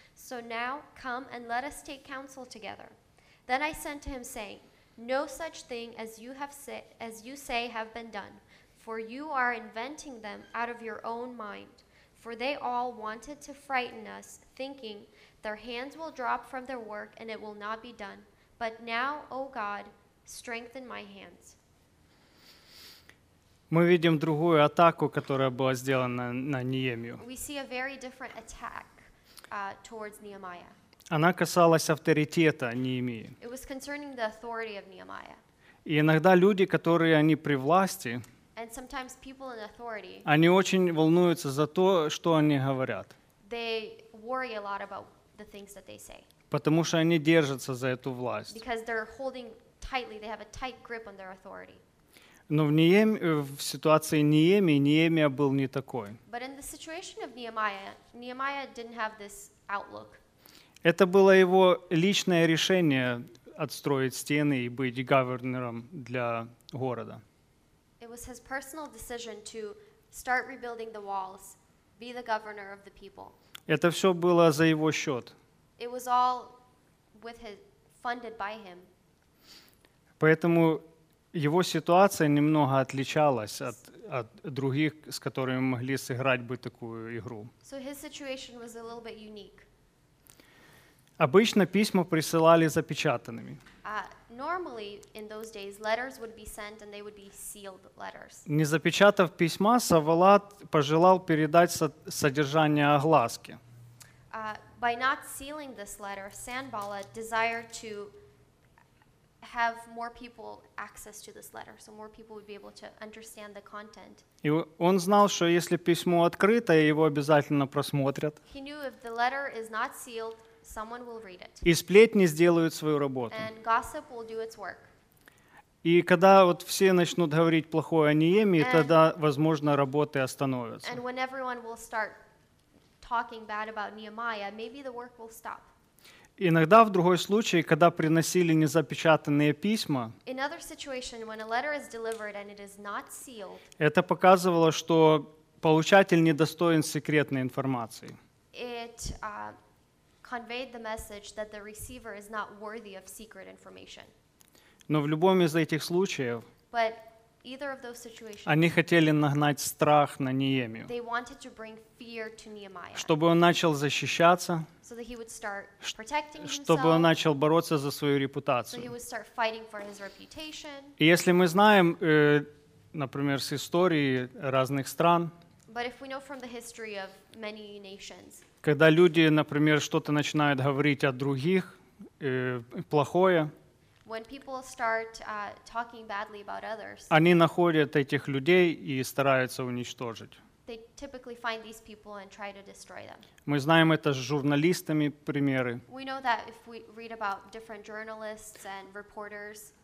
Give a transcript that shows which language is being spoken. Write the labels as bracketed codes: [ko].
[en] So now come and let us take counsel together." Then I sent to him, saying, "No such thing as you say have been done, for you are inventing them out of your own mind. For they all wanted to frighten us, thinking their hands will drop from their work and it will not be done. But now, O God, strengthen my hands." [ru] Мы видим другую атаку, которая была сделана на Неемию. [en] We see a very different attack towards Nehemiah. [ru] Она касалась авторитета Неемии. [en] It was concerning the authority of Nehemiah. [ru] И иногда люди, которые они при власти, [en] and sometimes people in authority, [ru] они очень волнуются за то, что они говорят. [en] They worry a lot about the things that they say. [ru] Потому что они держатся за эту власть. [en] Because they're holding tightly, they have a tight grip on their authority. [ru] Но в ситуации Неемии, Неемия был не такой. [en] But in the situation of Nehemiah, Nehemiah didn't have this outlook. [ru] Это было его личное решение отстроить стены и быть governor для города. [en] It was his personal decision to start rebuilding the walls, be the governor of the people. [ru] Это все было за его счет. [en] It was all with his, funded by him. [ru] Поэтому его ситуация немного отличалась от других, с которыми могли сыграть бы такую игру. [en] So his situation was a little bit unique. [ru] Обычно письма присылали запечатанными. [en] Normally, in those days, letters would be sent and they would be sealed letters. [ru] Не запечатав письма, Савалат пожелал передать содержание огласки. [en] By not sealing this letter, Sanballat desired to have more people access to this letter, so more people would be able to understand the content. [ru] И он знал, что если письмо открыто, его обязательно просмотрят. [en] He knew if the letter is not sealed, someone will read it. [ru] И сплетни сделают свою работу. [en] And gossip will do its work. [ru] И когда вот все начнут говорить плохое о Неемии, тогда, возможно, работы остановятся. [en] And when everyone will start talking bad about Nehemiah, maybe the work will stop. [ru] Иногда в другой случае, когда приносили незапечатанные письма, [en] in other situation, when a letter is delivered and it is not sealed, [ru] это показывало, что получатель недостоин секретной информации. [en] It conveyed the message that the receiver is not worthy of secret information. [ru] Но в любом из этих случаев, [en] but either of those situations, [ru] они хотели нагнать страх на Неемию. [en] They wanted to bring fear to Nehemiah. [ru] Чтобы он начал защищаться, [en] so that he would start protecting himself, [ru] чтобы он начал бороться за свою репутацию. [en] So he would start fighting for his reputation. [ru] И если мы знаем, например, с истории разных стран, [en] but if we know from the history of many nations, [ru] когда люди, например, что-то начинают говорить о других, плохое, [en] when people start talking badly about others, [ru] они находят этих людей и стараются уничтожить. [en] They typically find these people and try to destroy them. [ru] Мы знаем это с журналистами примеры. [en] We know that if we read about different journalists and reporters,